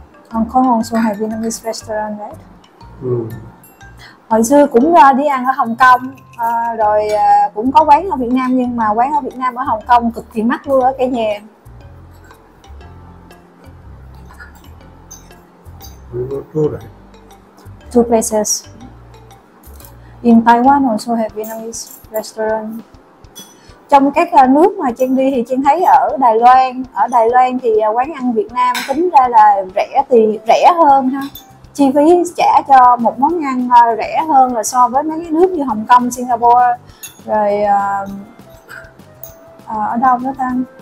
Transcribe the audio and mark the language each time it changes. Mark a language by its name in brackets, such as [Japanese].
[English] Hong Kong also have Vietnamese restaurant, right? [Vietnamese] Hồi xưa cũng đi ăn ở Hồng Kông. Rồi cũng có quán ở Việt Nam nhưng mà quán ở Việt Nam ở Hồng Kông cực kỳ mắc luôn á cả nhà. [English] Two places. In Taiwan also have Vietnamese restaurant. [Vietnamese] Trong các nước mà Trang đi thì Trang thấy ở Đài Loan thì quán ăn Việt Nam tính ra là rẻ thì rẻ hơn ha. Chi phí trả cho một món ăn rẻ hơn là so với mấy cái nước như Hồng Kông, Singapore, rồi ở đâu nữa ta?